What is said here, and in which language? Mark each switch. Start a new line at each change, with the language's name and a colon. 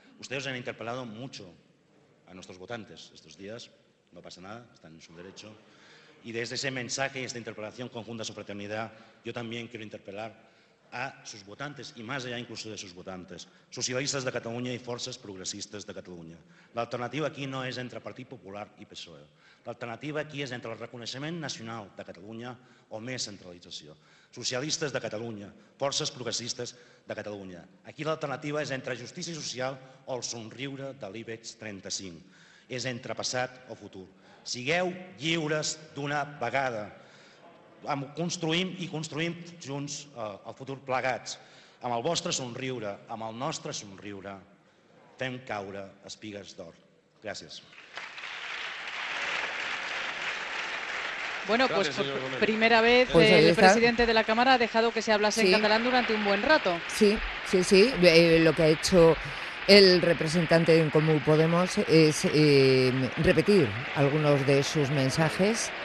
Spanish: Ustedes han interpelado mucho a nuestros votantes estos días, no pasa nada, están en su derecho, y desde ese mensaje y esta interpelación conjunta a su fraternidad, yo también quiero interpelar a sus votantes, y más allá incluso de sus votantes, socialistas de Cataluña y forces progresistas de Cataluña.
Catalan: L'alternativa aquí no és entre Partit Popular i PSOE. L'alternativa aquí és entre el reconeixement nacional de Catalunya o més centralització. Socialistes de Catalunya, forces progressistes de Catalunya. Aquí l'alternativa és entre justícia social o el somriure de l'IBEX 35. És entre passat o futur. Sigueu lliures d'una vegada. Construïm i construïm junts el futur plegats. Amb el vostre somriure, amb el nostre somriure, fem caure espigues d'or. Gràcies.
Spanish: Bueno, pues por primera vez pues el presidente de la Cámara ha dejado que se hablase en catalán durante un buen rato. Sí, sí, sí. Lo que ha hecho el representante de En Comú Podemos es repetir algunos de sus mensajes.